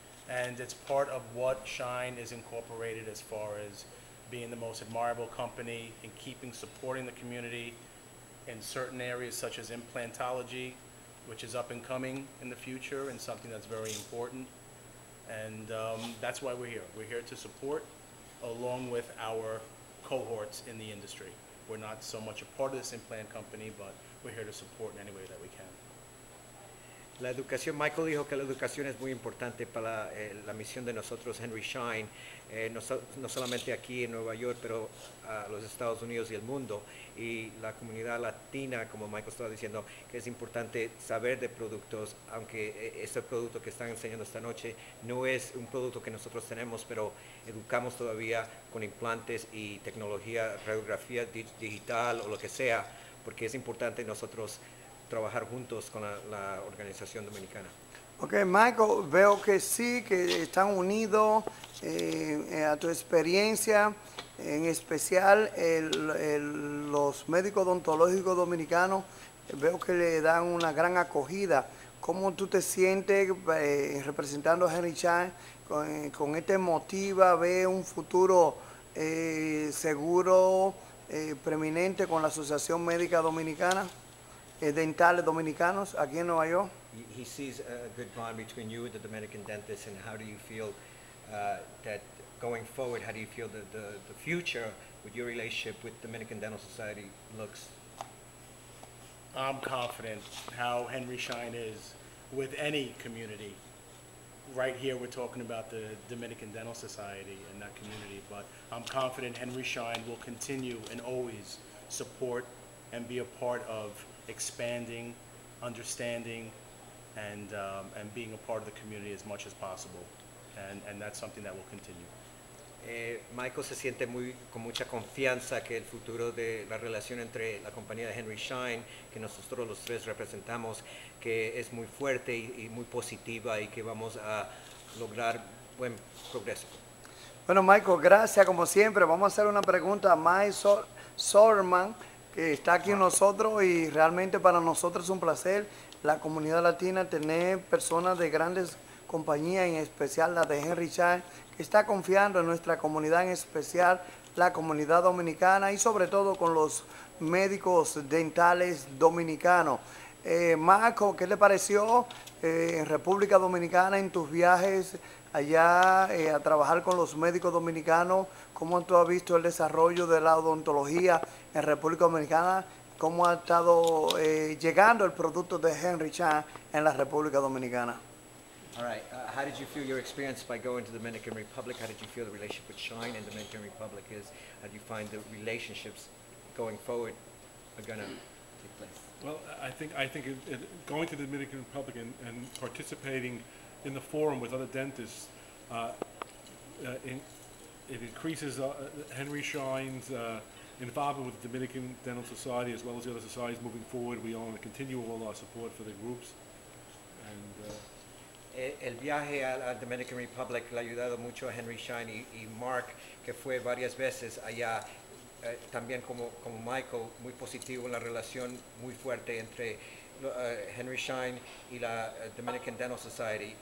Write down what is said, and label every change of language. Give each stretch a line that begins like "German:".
English: And it's part of what Schein is incorporated as far as being the most admirable company and keeping supporting the community in certain areas such as implantology, which is up and coming in the future and something that's very important. And that's why we're here. We're here to support along with our cohorts in the industry. We're not so much a part of this implant company, but we're here to support in any way that we can.
Spanish: La educación, Michael dijo que la educación es muy importante para la misión de nosotros, Henry Schein, no solamente aquí en Nueva York, pero a los Estados Unidos y el mundo. Y la comunidad latina, como Michael estaba diciendo, que es importante saber de productos, aunque este producto que están enseñando esta noche no es un producto que nosotros tenemos, pero educamos todavía con implantes y tecnología, radiografía digital o lo que sea, porque es importante nosotros trabajar juntos con la organización dominicana. Ok, Michael, veo que sí, que están unidos a tu experiencia, en especial los médicos odontológicos dominicanos, veo que le dan una gran acogida. ¿Cómo tú te sientes representando a Henry Schein con este motiva, ve un futuro seguro, preeminente con la Asociación Médica Dominicana? Dentales dominicanos aquí en Nueva York.
English: He sees a good bond between you and the Dominican dentist, and how do you feel that going forward, how do you feel the future with your relationship with Dominican Dental Society looks? I'm confident how Henry Schein is with any community. Right here we're talking about the Dominican Dental Society and that community, but I'm confident Henry Schein will continue and always support and be a part of expanding, understanding, and being a part of the community as much as possible. And that's something that will continue.
Spanish: Michael se siente muy con mucha confianza que el futuro de la relación entre la compañía de Henry Schein, que nosotros los tres representamos, que es muy fuerte y muy positiva y que vamos a lograr buen progreso. Bueno, Michael, gracias como siempre. Vamos a hacer una pregunta a Mike Sorman, que está aquí nosotros, y realmente para nosotros es un placer, la comunidad latina, tener personas de grandes compañías, en especial la de Henry Schein, que está confiando en nuestra comunidad, en especial la comunidad dominicana y sobre todo con los médicos dentales dominicanos. Marco, ¿qué te pareció en República Dominicana, en tus viajes allá a trabajar con los médicos dominicanos? ¿Cómo tú has visto el desarrollo de la odontología en República Dominicana? ¿Cómo ha estado llegando el producto de Henry Chan en la República Dominicana?
English: All right. How did you feel your experience by going to the Dominican Republic? How did you feel the relationship with Shine and the Dominican Republic is? How do you find the relationships going forward are going to take place? Well, I think going to the Dominican Republic and participating in the forum with other dentists, it increases Henry Shine's involvement with the Dominican Dental Society as well as the other societies moving forward. We all want to continue all our support for the groups. And
Spanish: El viaje a la Dominican Republic le ha ayudado mucho a Henry Shine y Mark, que fue varias veces allá. También como Michael, muy positivo en la relación muy fuerte entre Henry Shine y la Dominican Dental Society.